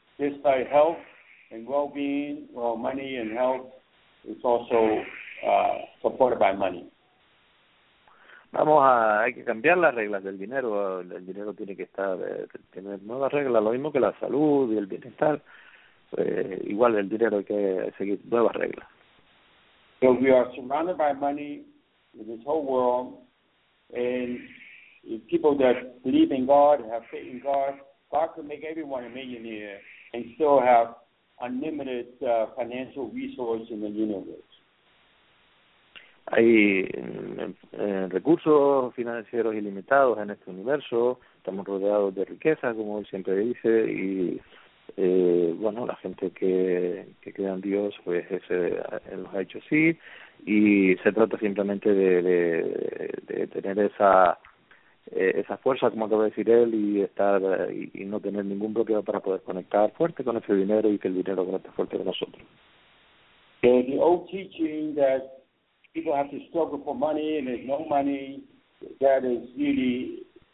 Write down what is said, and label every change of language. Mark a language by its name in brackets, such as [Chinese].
[English] Just by health and well-being, well, money and health is also supported by money. [Spanish] Hay que cambiar las reglas del dinero. El dinero tiene que estar, tener nuevas reglas. Lo mismo que la salud y el bienestar. Igual el dinero hay que seguir nuevas reglas. [English] So we are surrounded by money in this whole world, and people that believe in God, have faith in God, God can make everyone a millionaire and still have unlimited financial resources in the universe. [Spanish] Hay recursos financieros ilimitados en este universo. Estamos rodeados de riqueza, como él siempre dice. Y bueno, la gente que crea en Dios, pues ese los ha hecho así. Y se trata simplemente de tener esa fuerza, como acaba de decir él, y no tener ningún bloqueo para poder conectar fuerte con ese dinero y que el dinero conecte fuerte con nosotros. [English] The old teaching that people have to struggle for money and there's no money, that is really